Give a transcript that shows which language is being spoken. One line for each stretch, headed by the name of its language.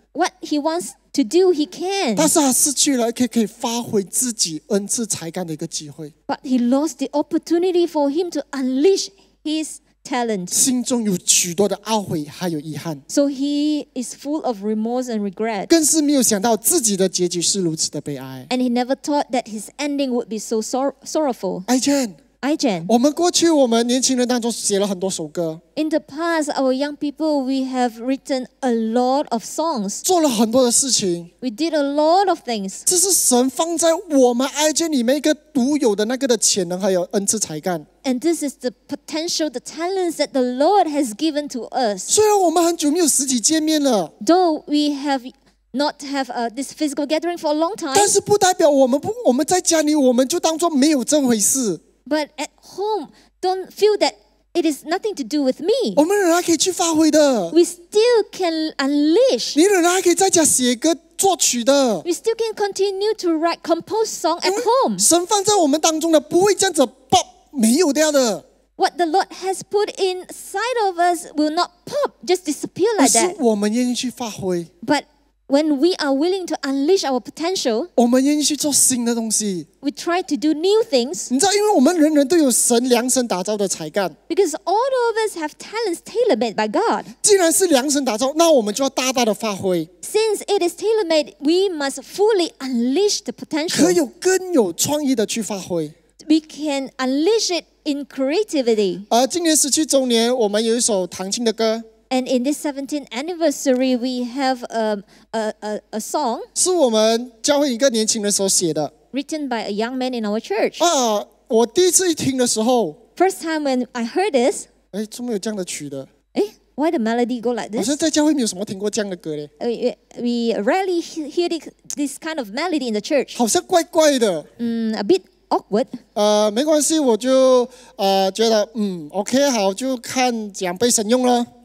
English: What he wants to do, he can.
Chinese: 但是他失去了可以发挥自己恩赐才干的一个机会。
English: But he lost the opportunity for him to unleash his talent.
Chinese: 心中有许多的懊悔还有遗憾。
English: So he is full of remorse and regret.
Chinese: 更是没有想到自己的结局是如此的悲哀。
English: And he never thought that his ending would be so sorrowful.
Chinese: Ai-Jen, 我们过去我们年轻人当中写了很多首歌。
English: In the past, our young people, we have written a lot of songs.
Chinese: 做了很多的事情。
English: We did a lot of things.
Chinese: 这是神放在我们 Ai-Jen里面一个独有的那个的潜能还有恩赐才干。
English: And this is the potential, the talents that the Lord has given to us.
Chinese: 虽然我们很久没有实体见面了。
English: Though we have not have this physical gathering for a long time.
Chinese: 但是不代表我们在家里我们就当作没有这回事。
English: But at home, don't feel that it is nothing to do with me.
Chinese: 我们仍然可以去发挥的。
English: We still can unleash.
Chinese: 你仍然可以在家写歌作曲的。
English: We still can continue to write compose song at home.
Chinese: 神放在我们当中的不会这样子pop没有掉的。
English: What the Lord has put inside of us will not pop, just disappear like that.
Chinese: 是我们愿意去发挥。
English: But when we are willing to unleash our potential,
Chinese: 我们愿意去做新的东西,
English: we try to do new things.
Chinese: 你知道因为我们人人都有神量身打造的才干,
English: because all of us have talents tailor-made by God.
Chinese: 既然是量身打造, 那我们就要大大的发挥。
English: Since it is tailor-made, we must fully unleash the potential.
Chinese: 可有更有创意的去发挥。
English: We can unleash it in creativity.
Chinese: 今年17周年, 我们有一首唐青的歌。
English: And in this 17th anniversary, we have a song
Chinese: 是我们教会一个年轻人所写的,
English: written by a young man in our church.
Chinese: 我第一次一听的时候,
English: first time when I heard this,
Chinese: 怎么有这样的曲的?
English: Why the melody go like this?
Chinese: 好像在教会没有什么听过这样的歌咧。
English: We rarely hear this kind of melody in the church.
Chinese: 好像怪怪的。
English: A bit awkward.
Chinese: 没关系, 我就, 觉得, 嗯, OK, 好, 就看怎样被神用了。